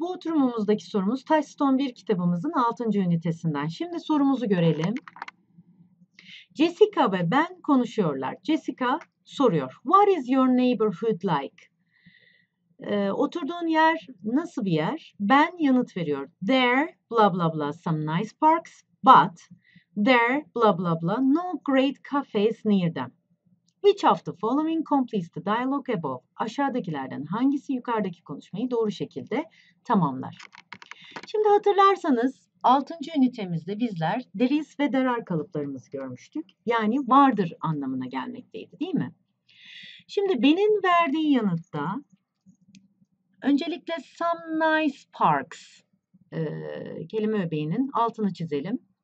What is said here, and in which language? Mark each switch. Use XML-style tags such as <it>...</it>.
<tr>Bu oturumumuzdaki sorumuz Touchstone 1 kitabımızın 6. ünitesinden. Şimdi sorumuzu görelim. Jessica ve Ben konuşuyorlar. Jessica soruyor.</tr> <en>What is your neighborhood like?</en> <tr>Oturduğun yer nasıl bir yer? Ben yanıt veriyor.</tr> <en>There, blah blah blah, some nice parks. But there, blah blah blah, no great cafes near them. Which of the following completes the dialogue above?</en> <tr>Aşağıdakilerden hangisi yukarıdaki konuşmayı doğru şekilde tamamlar? Şimdi hatırlarsanız 6. ünitemizde bizler</tr> <en>there is</en> <tr>ve</tr> <en>there are</en> <tr>kalıplarımızı görmüştük. Yani vardır anlamına gelmekteydi, değil mi? Şimdi Ben'in verdiği yanıtta öncelikle</tr> <en>some nice parks</en> <tr>kelime öbeğinin altını çizelim.</tr>